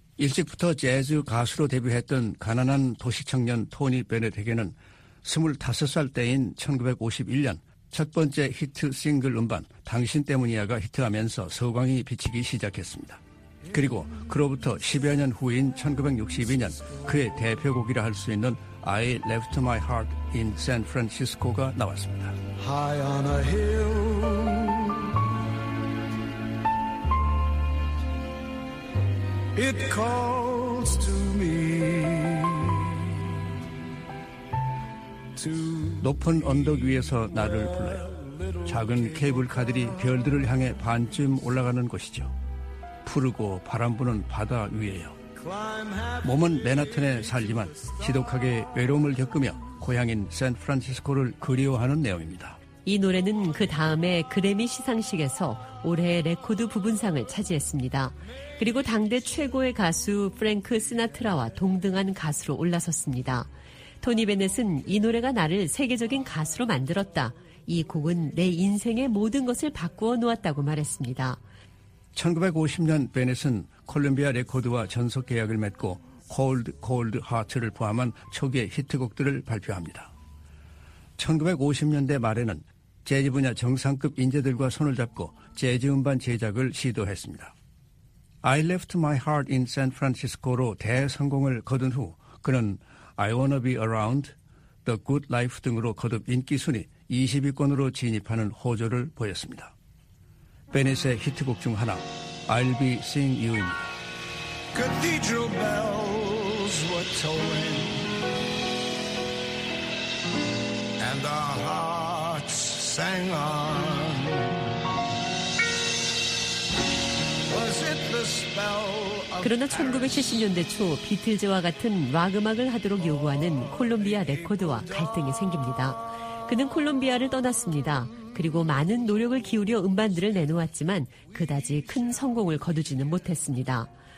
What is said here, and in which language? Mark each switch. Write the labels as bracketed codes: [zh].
[ko] 일찍부터 재즈 가수로 데뷔했던 가난한 도시 청년 토니 베넷에게는 25살 때인 1951년 첫 번째 히트 싱글 음반 당신 때문이야가 히트하면서 서광이 비치기 시작했습니다. 그리고 그로부터 10여 년 후인 1962년 그의 대표곡이라 할 수 있는 I left my heart in San Francisco가 나왔습니다. [en] High on a hill It calls to me to [ko] 높은 언덕 위에서 나를 불러요. 작은 케이블카들이 별들을 향해 반쯤 올라가는 곳이죠. 푸르고 바람 부는 바다 위에요. 몸은 맨하튼에 살지만 지독하게 외로움을 겪으며 고향인 샌프란시스코를 그리워하는 내용입니다. 이 노래는 그 다음에 그래미 시상식에서 올해의 레코드 부분상을 차지했습니다. 그리고 당대 최고의 가수 프랭크 시나트라와 동등한 가수로 올라섰습니다. 토니 베넷은 이 노래가 나를 세계적인 가수로 만들었다. 이 곡은 내 인생의 모든 것을 바꾸어 놓았다고 말했습니다. 1950년 베넷은 콜롬비아 레코드와 전속 계약을 맺고 Cold Cold Heart를 포함한 초기의 히트곡들을 발표합니다. 1950년대 말에는 재즈 분야 정상급 인재들과 손을 잡고 재즈 음반 제작을 시도했습니다. I left my heart in San Francisco로 대성공을 거둔 후 그는 I Wanna Be Around, The Good Life 등으로 거듭 인기 순위 20위권으로 진입하는 호조를 보였습니다. 베넷의 히트곡 중 하나, I'll Be Seeing You입니다. [en] Cathedral bells were tolling And our hearts sang on Was it the spell [ko] 그러나 1970년대 초 비틀즈와 같은 락 음악을 하도록 요구하는 콜롬비아 레코드와 갈등이 생깁니다. 그는 콜롬비아를 떠났습니다. 그리고 많은 노력을 기울여 음반들을 내놓았지만 그다지 큰 성공을 거두지는 못했습니다.